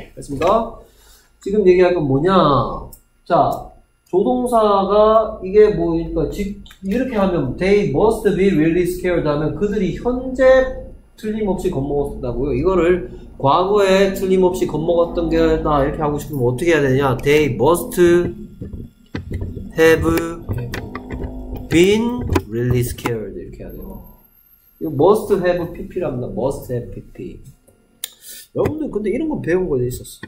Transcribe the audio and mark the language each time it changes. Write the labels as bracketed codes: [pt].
[ko] 맞습니까? 지금 얘기할 건 뭐냐? 자, 조동사가 이게 뭐니까 이렇게 하면 [en] they must be really scared [ko] 하면 그들이 현재 틀림없이 겁먹었다고요. 이거를 과거에 틀림없이 겁먹었던 게다 이렇게 하고 싶으면 어떻게 해야 되냐? [en] They must have been really scared [ko] 이렇게 해야 돼요. 이거 must have pp랍니다. must have pp. 여러분들 근데 이런 거 배운 거 있었어?